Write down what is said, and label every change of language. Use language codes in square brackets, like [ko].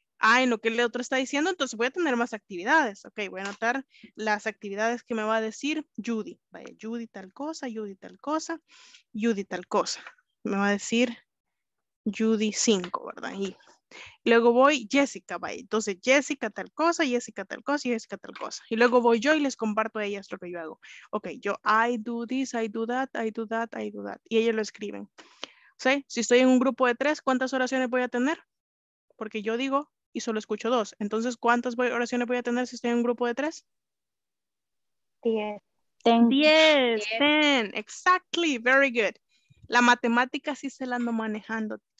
[es] Ah, en lo que el otro está diciendo, entonces voy a tener más actividades. Ok, voy a anotar las actividades que me va a decir Judy. Vaya, Judy tal cosa, Judy tal cosa, Judy tal cosa. Me va a decir Judy 5, ¿verdad? Y luego voy Jessica, vaya. Entonces Jessica tal cosa, Jessica tal cosa, Jessica tal cosa. Y luego voy yo y les comparto a ellas lo que yo hago. Ok, yo [en] I do this, I do that, [es] I do that, I do that. Y ellas lo escriben. ¿Sí? Si estoy en un grupo de 3, ¿cuántas oraciones voy a tener? Porque yo digo y solo escucho 2. Entonces, ¿cuántas oraciones voy a tener si estoy en un grupo de 3? 10. [en] Exactly. Very good. [es] La matemática sí se la ando manejando.